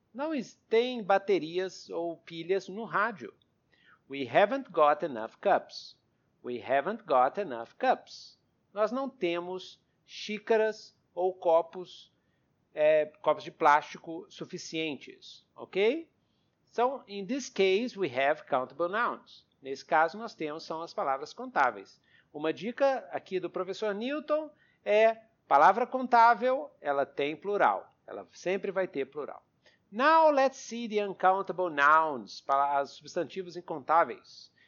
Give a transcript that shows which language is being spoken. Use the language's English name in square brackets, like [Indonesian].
[Portuguese] Não tem baterias ou pilhas no rádio. [English] We haven't got enough cups. We haven't got enough cups. [Portuguese] Nós não temos xícaras ou copos de plástico suficientes, ok? [English] So, in this case, we have countable nouns. [Portuguese] Nesse caso, nós temos são as palavras contáveis. Uma dica aqui do professor Newton é palavra contável, ela tem plural. Ela sempre vai ter plural. [English] Now, let's see the uncountable nouns, [Portuguese] os substantivos incontáveis.